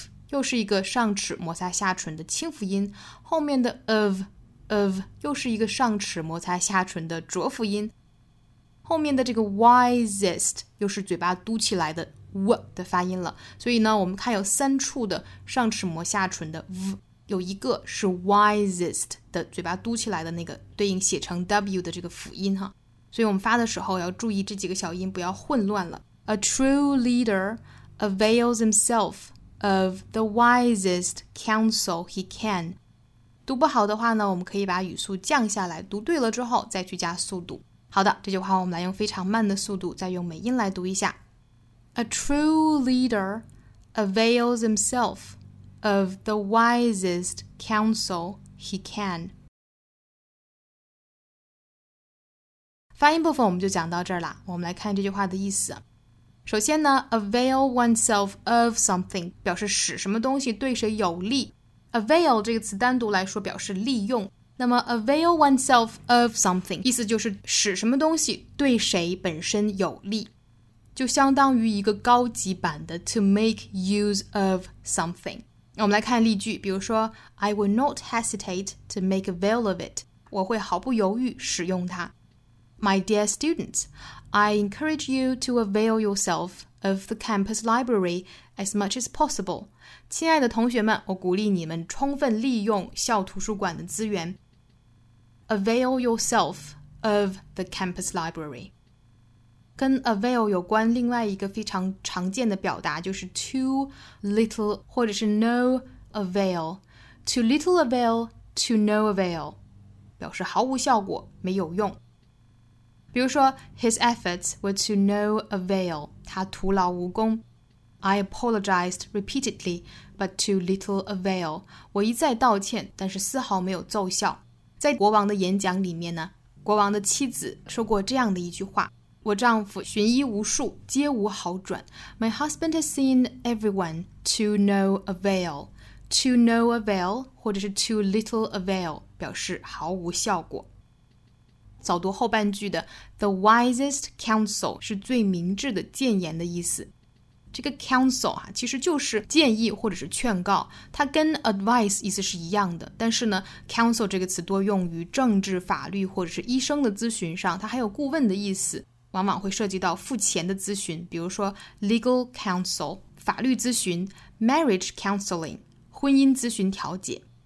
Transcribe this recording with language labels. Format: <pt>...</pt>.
<zh>又是一个上齿摩擦下唇的轻辅音，后面的 of 又是一个上齿摩擦下唇的浊辅音，后面的这个 wisest 又是嘴巴嘟起来的 w 的发音了。所以呢，我们看有三处的上齿摩下唇的 v， 有一个是 wisest 的嘴巴嘟起来的那个对应写成 w 的这个辅音哈。所以我们发的时候要注意这几个小音不要混乱了。</zh> <en>A true leader avails himselfOf the wisest counsel he can.</en> <zh>读不好的话呢，我们可以把语速降下来，读对了之后再去加速度。好的，这句话我们来用非常慢的速度，再用美音来读一下。</zh> <en>A true leader avails himself of the wisest counsel he can.</en> <zh>发音部分我们就讲到这儿了，我们来看这句话的意思。首先呢，</zh> <en>avail oneself of something</en> <zh>表示使什么东西对谁有利。 avail 这个词单独来说表示利用，那么 avail oneself of something 意思就是使什么东西对谁本身有利，就相当于一个高级版的</zh> <en>to make use of something。</en> <zh>那我们来看例句，比如说</zh> <en>I will not hesitate to make avail of it，</en> <zh>我会毫不犹豫使用它。</zh> <en>My dear studentsI encourage you to avail yourself of the campus library as much as possible.</en> <zh>亲爱的同学们，我鼓励你们充分利用校图书馆的资源。</zh> <en>Avail yourself of the campus library.</en> <zh>跟 avail 有关另外一个非常常见的表达就是 too little 或者是 no avail.</zh> <en>Too little avail, to no avail.</en> <zh>表示毫无效果，没有用。比如说</zh> <en>His efforts were to no avail，</en> <zh>他徒劳无功。</zh> <en>I apologized repeatedly but to little avail，</en> <zh>我一再道歉但是丝毫没有奏效。在国王的演讲里面呢，国王的妻子说过这样的一句话，我丈夫寻医无数皆无好转。</zh> <en>My husband has seen everyone to no avail， to no avail</en> <zh>或者是</zh> <en>to little avail</en> <zh>表示毫无效果。早读后半句的 The wisest counsel 是最明智的谏言的意思，这个 counsel、啊、其实就是建议或者是劝告，它跟 advice 意思是一样的，但是呢 counsel 这个词多用于政治、法律或者是医生的咨询上，它还有顾问的意思，往往会涉及到付钱的咨询，比如说 legal counsel 法律咨询， marriage counseling 婚姻咨询调解。</zh>